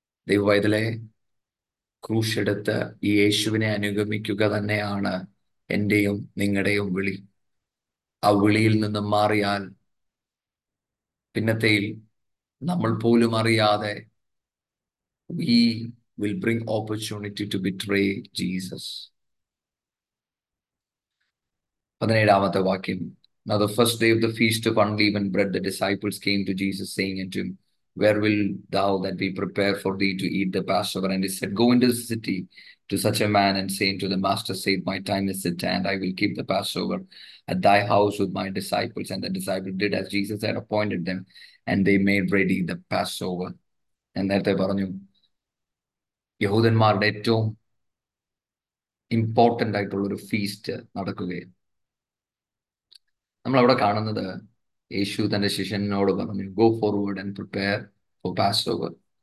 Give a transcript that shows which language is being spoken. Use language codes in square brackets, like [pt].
[ml] ദൈവവേദനയിലെ ക്രൂശെടുത്ത് ഈ യേശുവിനെ അനുഗമിക്കുക തന്നെയാണ് എൻ്റെയും നിങ്ങളുടെയും വിളി. ആ വിളിയിൽ നിന്നും മാറിയാൽ പിന്നത്തെയിൽ നമ്മൾ പോലും അറിയാതെ [en] We will bring opportunity to betray Jesus. [ml] 17-ാമത്തെ വാക്യം. [en] Now the first day of the feast of unleavened bread, the disciples came to Jesus saying unto him, Where will thou that we prepare for thee to eat the Passover? And he said, Go into the city to such a man and say unto the master, Say, my time is at hand, I will keep the Passover at thy house with my disciples. And the disciples did as Jesus had appointed them, and they made ready the Passover. And there they [ml] paranju യഹൂദന്മാരുടെ ഏറ്റവും important ആയിട്ടുള്ളൊരു feast നടക്കുകയാണ്. നമ്മളവിടെ കാണുന്നത് യേശു തൻ്റെ ശിഷ്യനോട് പറഞ്ഞു [en] Go forward and prepare for Passover.